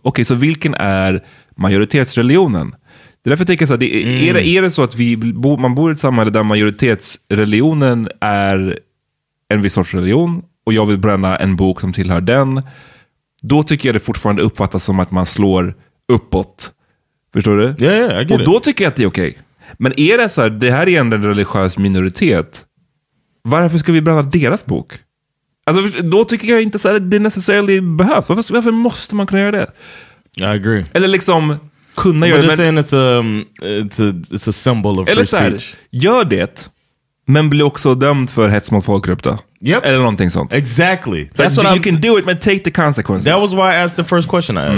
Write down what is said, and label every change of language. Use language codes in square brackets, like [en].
[sv] Okej, så vilken är majoritetsreligionen? Det är därför jag tänker så här, är det så att man bor i ett samhälle där majoritetsreligionen är en viss sorts religion och jag vill bränna en bok som tillhör den, då tycker jag det fortfarande uppfattas som att man slår uppåt. Förstår du? [en] Ja, yeah, yeah, [sv] och då tycker jag att det är okej. Men är det så här, det här är ändå en religiös minoritet. Varför ska vi bränna deras bok? Alltså, då tycker jag inte så här, det necessarily behövs. Varför måste man kunna göra det? [en] I agree. [sv] Eller liksom, kunna göra det. [en] But they're saying it's a symbol of free speech. [sv] Eller så här, gör det, men bli också dömd för hets mot folkgrupp då. [en] Yep. [sv] Eller någonting sånt. [en] Exactly. That's like, what you can do it, but take the consequences. That was why I asked the first question I asked.